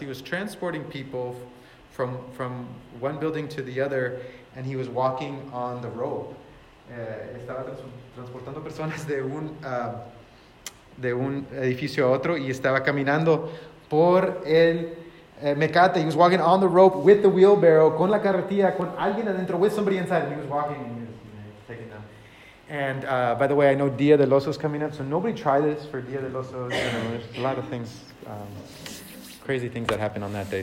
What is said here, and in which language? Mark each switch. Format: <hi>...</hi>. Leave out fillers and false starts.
<en>He was transporting people from one building to the other, and he was walking on the rope.</en> <es>Estaba transportando personas de un edificio a otro y estaba caminando por el mecate.</es> <en>He was walking on the rope with the wheelbarrow,</en> <es>con la carretilla, con alguien adentro,</es> <en>with somebody inside. And he was walking and taking them. And by the way, I know Dia de los Osos coming up, so nobody try this for Dia de los Osos. You know, there's a lot of things, crazy things that happen on that day.</en>